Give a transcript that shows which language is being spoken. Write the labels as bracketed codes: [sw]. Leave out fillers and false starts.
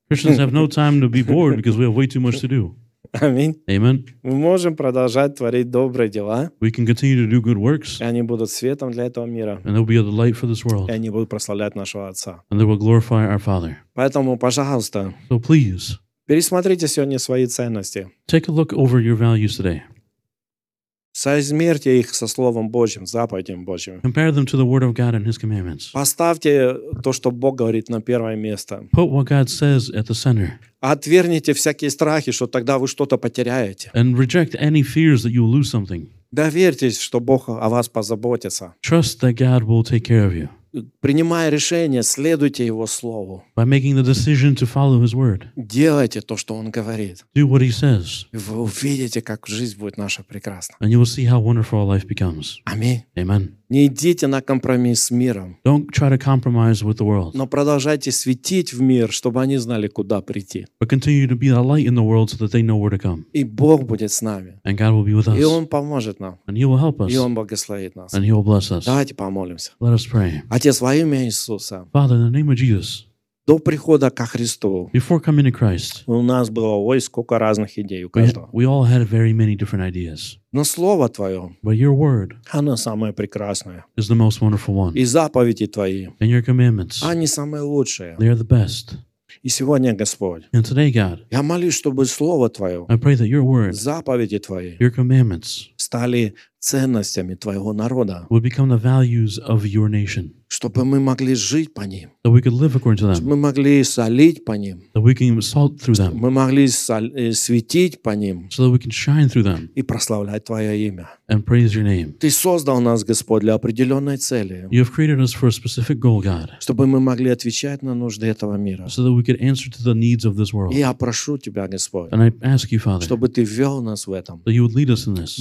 [en] Christians have no time to be bored because we have way too much to do. [ru] Аминь. [en] Amen. [ru] Мы можем продолжать творить добрые дела. [en] We can continue to do good works. [ru] И они будут светом для этого мира. [en] And they'll be the light for this world. [ru] И они будут прославлять нашего Отца. [en] And they will glorify our Father. [ru] Поэтому, пожалуйста. [en] So please. [ru] Пересмотрите сегодня свои ценности. [en] Take a look over your values today. [ru] Соизмерьте их со Словом Божьим, заповедям Божьим. [en] Compare them to the Word of God and His commandments. [ru] Поставьте то, что Бог говорит, на первое место. [en] Put what God says at the center. [ru] Отвергните всякие страхи, что тогда вы что-то потеряете. [en] And reject any fears that you will lose something. [ru] Доверьтесь, что Бог о вас позаботится. [en] Trust that God will take care of you. [ru] Принимая решение, следуйте Его Слову. [en] By making the decision to follow His word. [ru] Делайте то, что Он говорит. [en] Do what He says. [ru] И вы увидите, как жизнь будет наша прекрасна. [en] And you will see how wonderful our life becomes. [ru] Аминь. [en] Amen. [ru] Не идите на компромисс с миром. [en] Don't try to compromise with the world. [ru] Но продолжайте светить в мир, чтобы они знали, куда прийти. [en] But continue to be a light in the world so that they know where to come. [ru] И Бог будет с нами. [en] And God will be with us. [ru] И Он поможет нам. [en] And He will help us. [ru] И Он благословит нас. [en] And He will bless us. [ru] Давайте помолимся. [en] Let us pray. [ru] Отец, во имя Иисуса. [en] Father, in the name of Jesus. [ru] До прихода ко Христу. [en] Before coming to Christ. [ru] У нас было, ой, сколько разных идей у каждого. [en] We all had very many different ideas. [ru] Но Слово Твое. [en] But your word. [ru] Оно самое прекрасное. [en] Is the most wonderful one. [ru] И заповеди Твои. [en] And your commandments. [ru] Они самые лучшие. [en] They are the best. [ru] И сегодня, Господь. [en] And today, God. [ru] Я молюсь, чтобы Слово Твое. [en] I pray that your word. [ru] Заповеди Твои. [en] Your commandments. [ru] Стали ценностями Твоего народа. [en] Will become the values of your nation. [ru] Чтобы мы могли жить по ним. [en] That we could live according to them. [ru] Чтобы мы могли солить по ним. [en] That we can salt through them. [ru] Мы могли светить по ним. [en] So that we can shine through them. [ru] И прославлять Твое имя. [en] And praise your name. [ru] Ты создал нас, Господь, для определенной цели. [en] You have created us for a specific goal, God. [ru] Чтобы мы могли отвечать на нужды этого мира. [en] So that we could answer to the needs of this world. [ru] И я прошу Тебя, Господь. [en] And I ask you, Father. [ru] Чтобы Ты вел нас в этом. [en] That you would lead us in this.